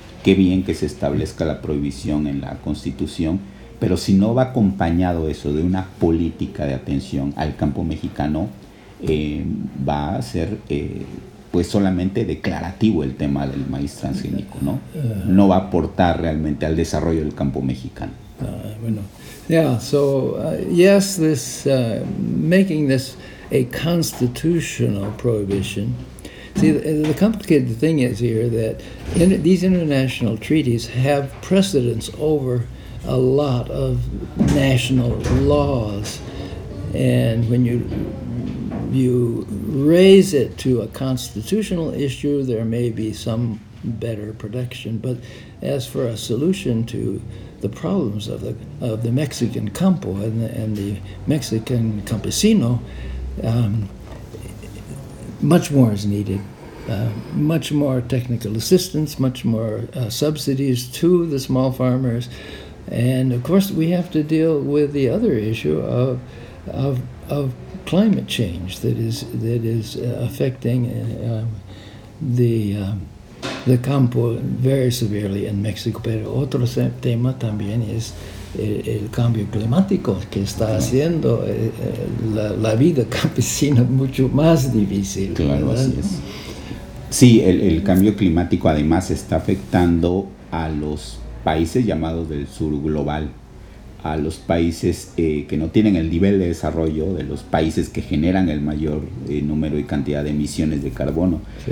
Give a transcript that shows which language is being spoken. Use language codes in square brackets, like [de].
[es] Qué bien que se establezca la prohibición en la Constitución, pero si no va acompañado eso de una política de atención al campo mexicano, va a ser pues solamente declarativo el tema del maíz transgénico, ¿no? No va a aportar realmente al desarrollo del campo mexicano. [en] Yeah, so yes, this making this a constitutional prohibition. See, the complicated thing is here that these international treaties have precedence over a lot of national laws. And when you raise it to a constitutional issue, there may be some better protection. But as for a solution to the problems of the Mexican campo and the Mexican campesino, much more is needed. Much more technical assistance, much more subsidies to the small farmers. And of course, we have to deal with the other issue of climate change that is affecting the campo very severely in Mexico. [es] Pero otro tema también es el cambio climático que está haciendo la vida campesina mucho más difícil. Claro, ¿verdad? Así es. Sí, el cambio climático además está afectando a los países llamados del sur global, a los países que no tienen el nivel de desarrollo de los países que generan el mayor número y cantidad de emisiones de carbono. Sí.